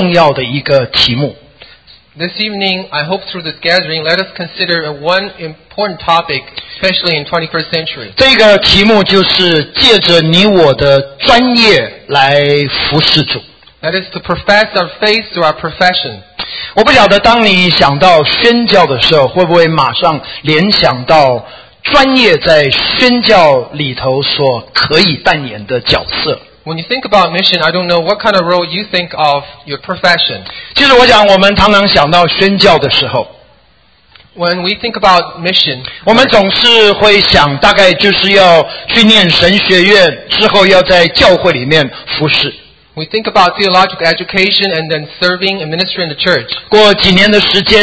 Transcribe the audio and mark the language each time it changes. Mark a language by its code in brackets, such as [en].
[zh] 今天晚上其实希望能够透过这样的一个聚会来跟大家思想一个，我想在21世纪一个非常重要的一个题目。 [en] This evening, I hope through this gathering, let us consider one important topic, especially in 21st century. [zh] 这个题目就是借着你我的专业来服侍主。 [en] That is to profess our faith through our profession. [zh] 我不晓得当你想到宣教的时候，会不会马上联想到专业在宣教里头所可以扮演的角色。 [en] When you think about mission, I don't know what kind of role you think of your profession. [zh] 其实我想我们常常想到宣教的时候， [en] When we think about mission, [zh] 我们总是会想大概就是要去念神学院，之后要在教会里面服侍。 [en] We think about theological education and then serving and ministering in the church.